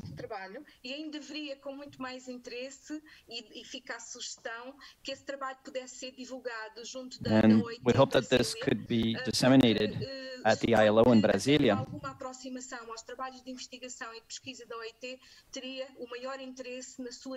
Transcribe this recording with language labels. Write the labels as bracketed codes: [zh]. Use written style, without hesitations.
[pt] Deste trabalho, e ainda veria com muito mais interesse e fica a sugestão que esse trabalho pudesse ser divulgado junto da [en] and we hope that this could be disseminated at the ILO in Brasília. [pt] Alguma aproximação aos trabalhos de investigação e pesquisa da OIT teria o maior interesse na sua